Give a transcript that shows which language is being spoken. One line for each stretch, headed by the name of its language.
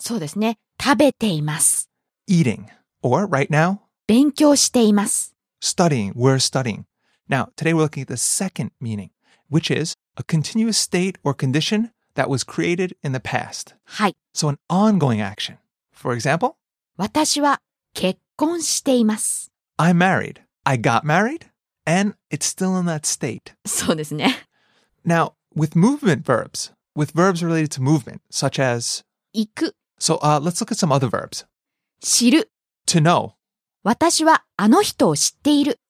Japanese: そうですね。食べています。
English: Eating, or right now,
Japanese: 勉強しています。
English: Studying, we're studying. Now, today we're looking at the second meaning, which is a continuous state or condition that was created in the past.
Japanese: はい。
English: So an ongoing action. For example,
Japanese: 私は結構結婚しています。
English: I'm married. I got married. And it's still in that state.
Japanese: そうですね。
English: Now, with movement verbs, with verbs related to movement, such as...
Japanese: 行く。
English: So, let's look at some other verbs.
Japanese: 知る。
English: To know.
Japanese: 私はあの人を知っている。